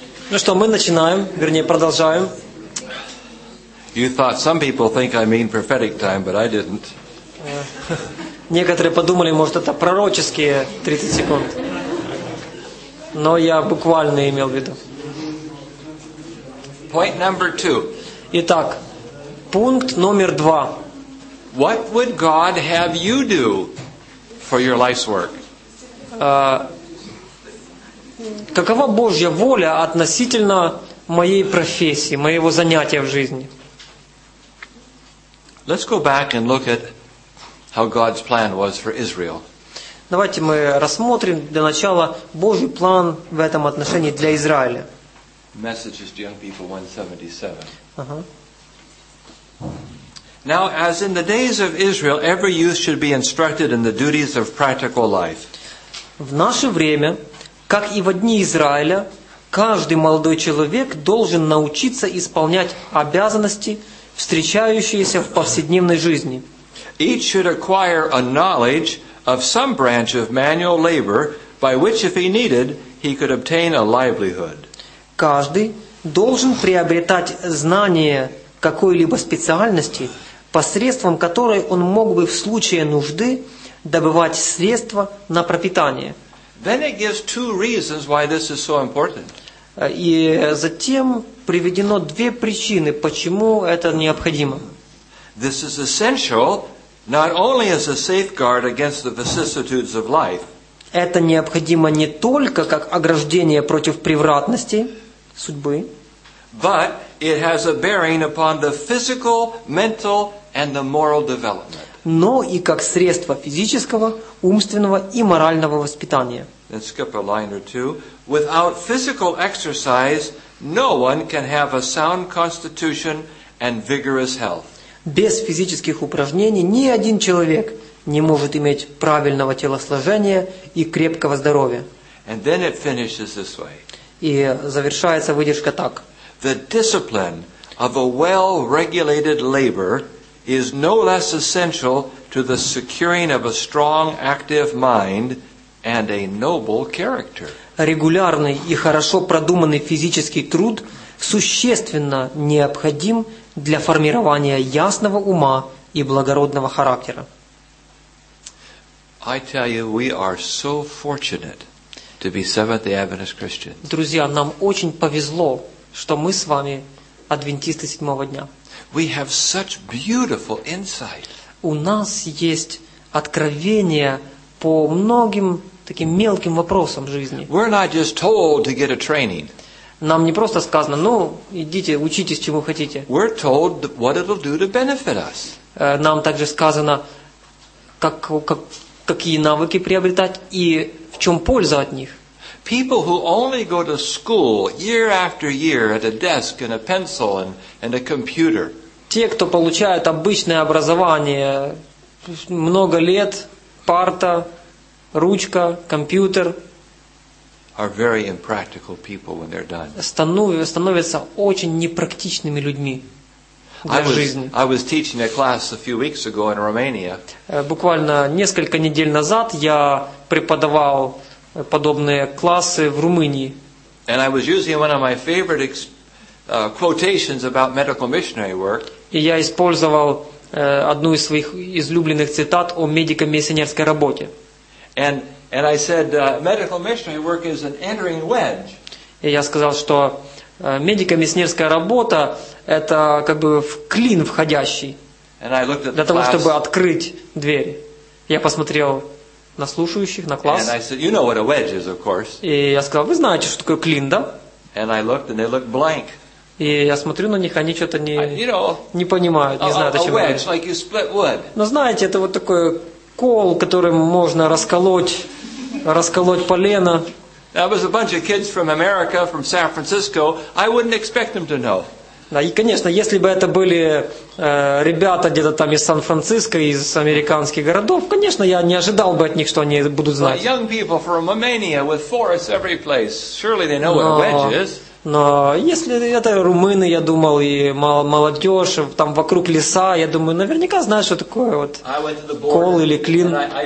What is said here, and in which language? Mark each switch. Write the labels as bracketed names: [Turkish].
[Russian] Ну что, мы начинаем, вернее, продолжаем. [English] You thought some people think I mean prophetic time, but I didn't. [Russian] Некоторые подумали, может, это пророческие 30 секунд. Но я буквально имел в виду. [English] Point number two. [Russian] Итак, пункт номер два. [English] What would God have you do for your life's work? [Russian] Какова Божья воля относительно моей профессии, моего занятия в жизни? [English] Let's go back and look at how God's plan was for Israel. [Russian] Давайте мы рассмотрим для начала Божий план в этом отношении для Израиля. [English] Messages to young people 177. Now, as in the days of Israel, every youth should be instructed in the duties of practical life. [Russian] В наше время, как и во дни Израиля, каждый молодой человек должен научиться исполнять обязанности, встречающиеся в повседневной жизни. [English] Each should acquire a knowledge of some branch of manual labor, by which, if he needed, he could obtain a livelihood. [Russian] Каждый должен приобретать знания какой-либо специальности, посредством которой он мог бы в случае нужды добывать средства на пропитание. [English] Then it gives two reasons why this is so important. [Russian] И затем приведено две причины, почему это необходимо. [English] This is essential not only as a safeguard against the vicissitudes of life. [Russian] Это необходимо не только как ограждение против превратности судьбы, [English] but it has a bearing upon the physical, mental, and the moral development. [Russian] Но и как средство физического, умственного и морального воспитания. [English] Then skip a line or two. Without physical exercise, no one can have a sound constitution and vigorous health. [Russian] Без физических упражнений ни один человек не может иметь правильного телосложения и крепкого здоровья. [English] And then it finishes this way. [Russian] И завершается выдержка так. [English] The discipline of a well-regulated labor is no less essential to the securing of a strong, active mind and a noble character. [Russian] Регулярный и хорошо продуманный физический труд существенно необходим для формирования ясного ума и благородного характера. [English] I tell you, we are so fortunate to be Seventh-day Adventist Christians. [Russian] Друзья, нам очень повезло, что мы с вами адвентисты седьмого дня. [English] We have such beautiful insight. [Russian] У нас есть откровение по многим таким мелким вопросам жизни. [English] We're not just told to get a training. [Russian] Нам не просто сказано, ну, идите, учитесь, чему хотите. [English] We're told what it'll do to benefit us. [Russian] Нам также сказано, какие навыки приобретать и в чем польза от них. [English] People who only go to school year after year at a desk and a pencil and a computer. [Russian] Те, кто получают обычное образование, много лет, парта, ручка, компьютер. [English] Are very impractical people when they're done. [Russian] Становятся очень непрактичными людьми для жизни. [English] I was teaching a class a few weeks ago in Romania. [Russian] Буквально несколько недель назад я преподавал подобные классы в Румынии. [English] And I was using one of my favorite quotations about medical missionary work. [Russian] И я использовал одну из своих излюбленных цитат о медико-миссионерской работе. [English] And I said medical missionary work is an entering wedge. [Russian] И я сказал, что медико-миссионерская работа это как бы клин входящий. [English] And I looked at [Russian] для [English] the [Russian] того, [English] class. [Russian] Чтобы открыть дверь. Я посмотрел на слушающих, на класс. [English] And I said, you know what a wedge is, of course. [Russian] И я сказал, вы знаете, что такое клин, да? [English] And I looked, and they looked blank. [Russian] И я смотрю на них, они что-то не понимают, не знают, о чем говорят. [English] A wedge, like you split wood. [Russian] Но знаете, это вот такой кол, которым можно расколоть полено. [English] That was a bunch of kids from America, from San Francisco. I wouldn't expect them to know. [Russian] Да, и, конечно, если бы это были ребята где-то там из Сан-Франциско, из американских городов, конечно, я не ожидал бы от них, что они будут знать. [English] Young people from Romania with forests every place. Surely they know what a wedge is. [Russian] Но если это румыны, я думал, и молодежь, там вокруг леса, я думаю, наверняка знают, что такое вот кол или клин.